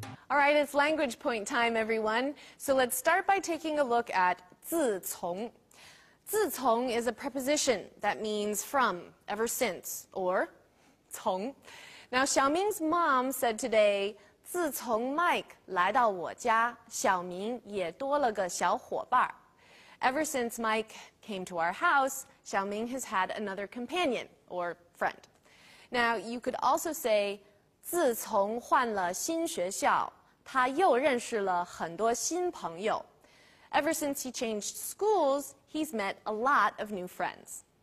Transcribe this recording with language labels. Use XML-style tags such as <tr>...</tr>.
<en>All right, it's language point time, everyone. So let's start by taking a look at 自从. 自从 is a preposition that means from, ever since, or 从. Now, Xiaoming's mom said today,</en> <zh>自从 Mike 来到我家, 小明也多了个小伙伴.</zh> <en>Ever since Mike came to our house, Xiaoming has had another companion, or friend. Now, you could also say,</en> <zh>自从换了新学校, 他又认识了很多新朋友.</zh> <en>Ever since he changed schools, he's met a lot of new friends.</en>